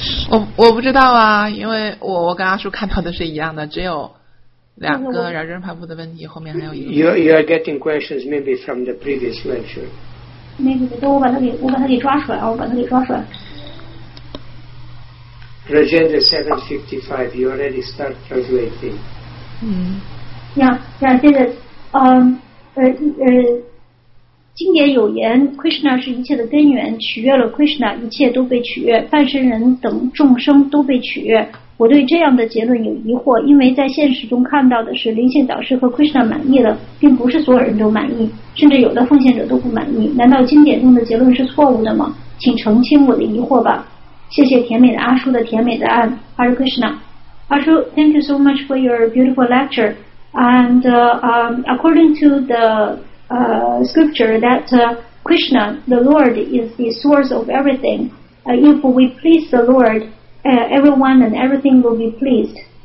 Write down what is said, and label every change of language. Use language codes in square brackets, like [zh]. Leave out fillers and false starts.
[zh] 我不知道啊，因为我跟阿叔看到的是一样的，只有两个然人排布的问题，后面还有一个。 [en] You are getting questions maybe from the previous lecture. [zh] 那个，等我把他给，我把他给抓出来，我把他给抓出来。 [en] Rajendra 755, you already start translating. Mm. Yeah, yeah, this is, [zh] 经典有言 ,Krishna 是一切的根源，取悦了 Krishna, 一切都被取悦，半生人等众生都被取悦。我对这样的结论有疑惑，因为在现实中看到的是灵性导师和 Krishna 满意了，并不是所有人都满意，甚至有的奉献者都不满意。难道经典中的结论是错误的吗？请澄清我的疑惑吧。谢谢甜美的阿叔的甜美的案 ,Hare Krishna. [en] 阿叔 ,thank you so much for your beautiful lecture. And, according to the, scripture that, Krishna, the Lord, is the source of everything. If we please the Lord, everyone and everything will be pleased.